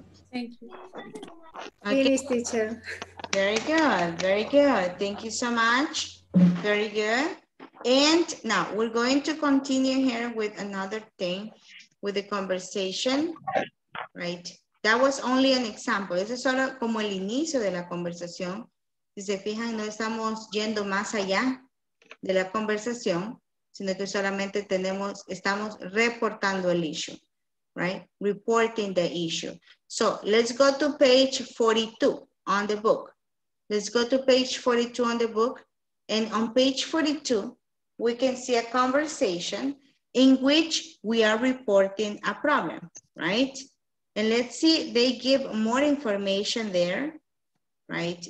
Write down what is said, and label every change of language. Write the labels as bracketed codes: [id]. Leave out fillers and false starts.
[en] Thank you. Okay. Finish, teacher. Very good, very good. Thank you so much. Very good. And now we're going to continue here with another thing. With the conversation, right? That was only an example. [es] Eso es solo como el inicio de la conversación. Si se fijan, no estamos yendo más allá de la conversación, sino que solamente tenemos, estamos reportando el issue, right? [en] Reporting the issue. So let's go to page 42 on the book. Let's go to page 42 on the book. And on page 42, we can see a conversation in which we are reporting a problem, right? And let's see, they give more information there, right?